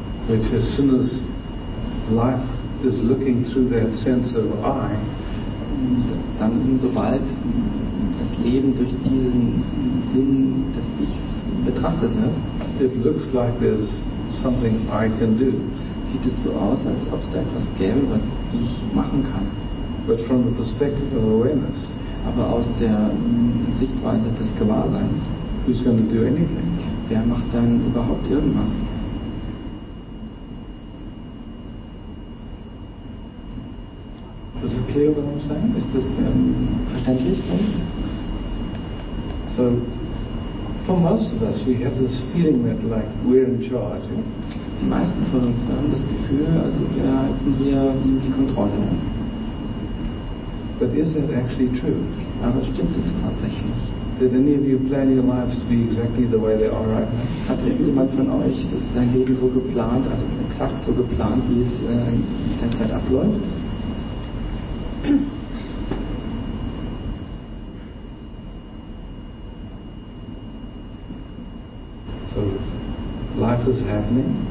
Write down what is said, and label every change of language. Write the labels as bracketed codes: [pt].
[en] Which as soon as life is looking through that sense of I, [de] dann sobald das Leben durch diesen Sinn des Ichs betrachtet wird, [en] it looks like there's something I can do. [de] Sieht es so aus, als ob es da etwas gäbe, was ich machen kann. [en] But from the perspective of awareness, [de] aber aus der Sichtweise des Gewahrseins, [en] who's going to do anything? [de] Wer macht dann überhaupt irgendwas? [en] Is it clear what I'm saying? [de] Ist das verständlich? [en] So, for most of us, we have this feeling that like we're in charge. [de] Die meisten von uns haben das Gefühl, also wir halten hier die Kontrolle. [en] But is that actually true? [de] Aber stimmt das tatsächlich? [en] Did any of you plan your lives to be exactly the way they are right now? [de] Hat irgendjemand von euch das sein Leben so geplant, also exakt so geplant, wie es derzeit abläuft? [en] So, life is happening.